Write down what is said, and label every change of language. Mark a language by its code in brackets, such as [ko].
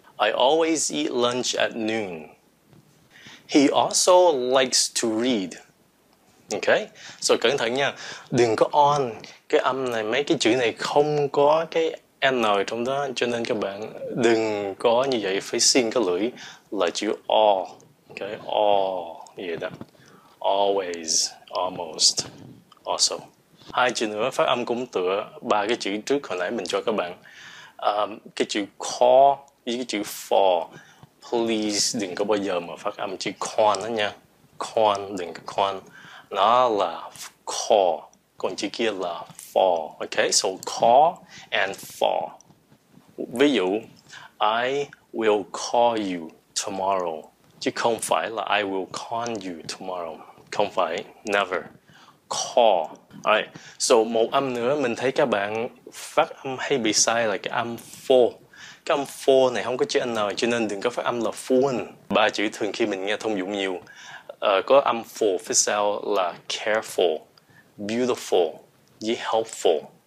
[en] I always eat lunch at noon. He also likes to read. [vi] Okay, so cẩn thận nha, đừng có on. Cái âm này, mấy cái chữ này không có cái N trong đó, cho nên các bạn đừng có như vậy, phải xin cái lưỡi là chữ O. Okay, O, như vậy đó. Always, almost, also. Hai chữ nữa phát âm cũng tựa ba cái chữ trước hồi nãy mình cho các bạn. Cái chữ call với cái chữ for. Please, đừng có bao giờ mà phát âm chữ con đó nha. Con, đừng có con. Nó là call. Còn chữ kia là [en] for. Okay, so call and for. [vi] Ví dụ, [en] I will call you tomorrow. [vi] Chứ không phải là [en] I will call you tomorrow. [vi] Không phải, [en] never. Call. [vi] Alright, so một âm nữa mình thấy các bạn phát âm hay bị sai là cái âm for. Cái âm for này không có chữ N, cho nên đừng có phát âm là for. Ba chữ thường khi mình nghe thông dụng nhiều, có âm for phía sau là careful, beautiful, với helpful.